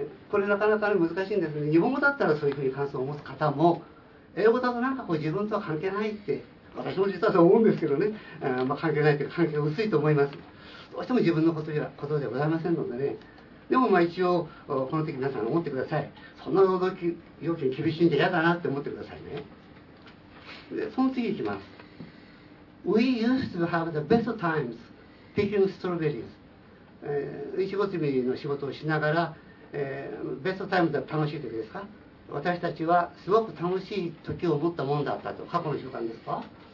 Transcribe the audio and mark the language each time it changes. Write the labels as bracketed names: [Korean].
[Japanese] これなかなか難しいんですね。日本語だったらそういうふうに感想を持つ方も、英語だとなんかこう自分とは関係ないって、私も実はそう思うんですけどね、まあ、関係ないというか関係薄いと思います。どうしても自分のことではことでございませんのでね。でもまあ一応、この時皆さん思ってください。そんな労働要求厳しいんじゃ嫌だなって思ってくださいね。で、その次いきます。 [English] We used to have the best times picking strawberries. [Japanese] いちご摘みの仕事をしながら、ベストタイムで楽しい時ですか。私たちはすごく楽しい時を持ったものだったと、過去の習慣ですか。